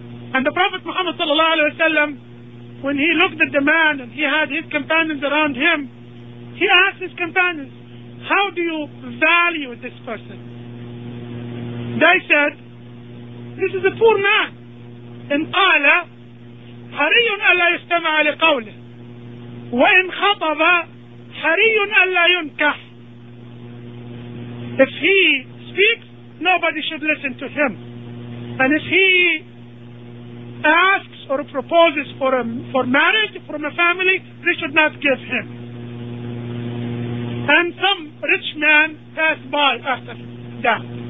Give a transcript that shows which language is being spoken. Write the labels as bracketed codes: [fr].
[en] And the Prophet Muhammad sallallahu alayhi wa sallam, when he looked at the man and he had his companions around him, he asked his companions, how do you value this person? They said, this is a poor man. [ar] In qala, حَرِيٌّ أَلَّا يُسْتَمَعَ لِقَوْلِهِ وَإِنْ خَطَبَ حَرِيٌّ أَلَّا يُنْكَحَ. [en] If he speaks, nobody should listen to him. And if he asks or proposes for marriage from a family, they should not give him. And some rich man passed by after that.